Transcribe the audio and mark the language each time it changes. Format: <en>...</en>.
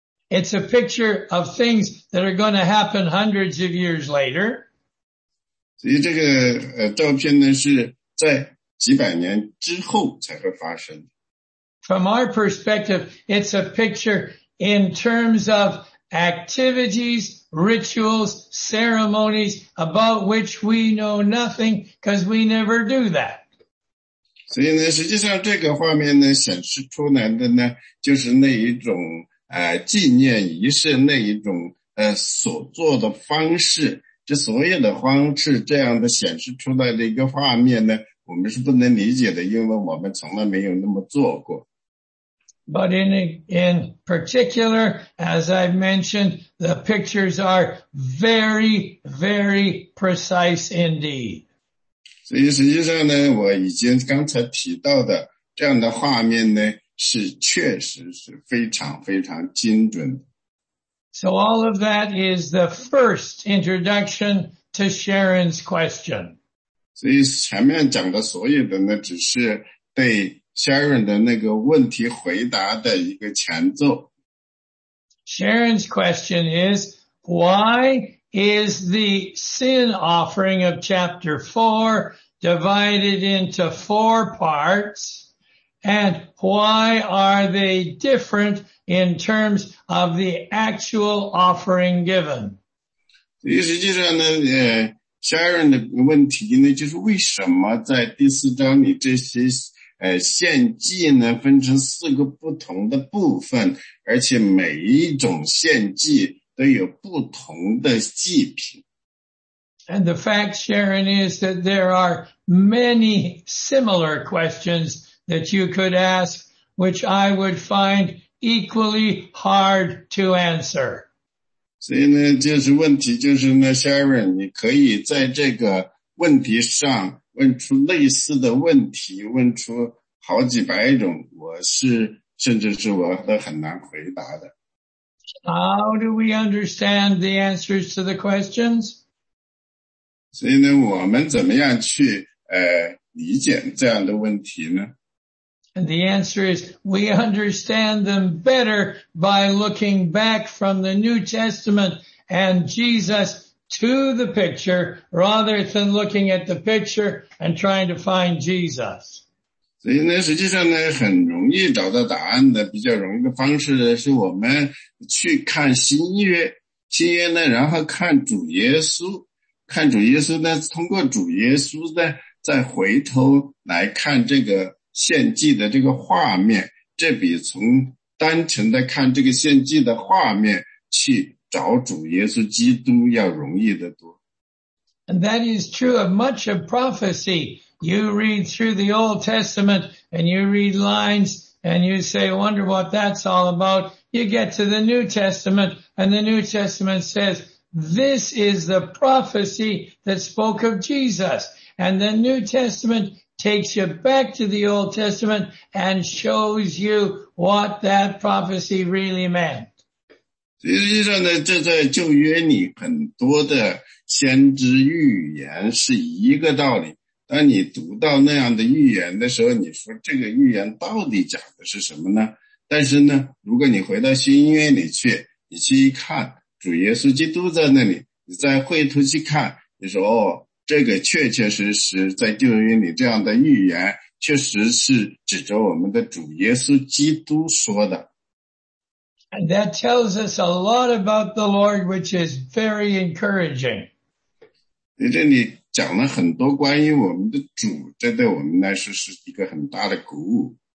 <en>It's a picture of things that are going to happen hundreds of years later.</en> <zh>所以这个照片呢，是在几百年之后才会发生的。</zh> <en>From our perspective, it's a picture in terms of activities, rituals, ceremonies about which we know nothing because we never do that.</en> <zh>所以呢，实际上这个画面呢，显示出来的呢，就是那一种纪念仪式，那一种所做的方式。这所有的方式这样的显示出来的一个画面呢，我们是不能理解的，因为我们从来没有那么做过。</zh> <en>But in particular, as I've mentioned, the pictures are very, very precise indeed.</en> <zh>所以实际上呢，我已经刚才提到的这样的画面呢，是确实是非常非常精准的。</zh> <en>So all of that is the first introduction to Sharon's question.</en> <zh>所以前面讲的所有的呢，只是对Sharon 的那个问题回答的一个前奏。</zh> <en>Sharon's question is, why is the sin offering of chapter 4 divided into four parts, and why are they different in terms of the actual offering given?</en> <zh>实际上呢，Sharon 的问题呢，就是为什么在第四章里这些献祭呢分成四个不同的部分，而且每一种献祭都有不同的祭品。</zh> <en>And the fact, Sharon, is that there are many similar questions that you could ask, which I would find equally hard to answer.</en> <zh>所以呢，就是问题就是呢 ，Sharon， 你可以在这个问题上问出类似的问题，问出好几百种，甚至是我都很难回答的。</zh> <en>How do we understand the answers to the questions?</en> <zh>所以呢，我们怎么样去理解这样的问题呢？</zh> <en>And the answer is, we understand them better by looking back from the New Testament and Jesus to the picture rather than looking at the picture and trying to find Jesus.</en> <zh>所以呢，实际上呢，很容易找到答案的比较容易的方式呢，是我们去看新约呢，然后看主耶稣呢，通过主耶稣呢，再回头来看这个献祭的这个画面，这比从单纯的看这个献祭的画面，去找主耶稣基督要容易得多。</zh> <en>And that is true of much of prophecy. You read through the Old Testament and you read lines and you say, wonder what that's all about. You get to the New Testament and the New Testament says, this is the prophecy that spoke of Jesus. And the New Testament takes you back to the Old Testament and shows you what that prophecy really meant.</en> <zh>实际上呢，这在旧约里很多的先知预言是一个道理。当你读到那样的预言的时候，你说这个预言到底讲的是什么呢？但是呢，如果你回到新约里去，你去一看主耶稣基督在那里，你再回头去看，你说哦，这个确确实实在旧约里这样的预言，确实是指着我们的主耶稣基督说的。</zh> <en>And that tells us a lot about the Lord, which is very encouraging.</en> <zh>你这里讲了很多关于我们的主，这对我们来说是一个很大的鼓舞。</zh>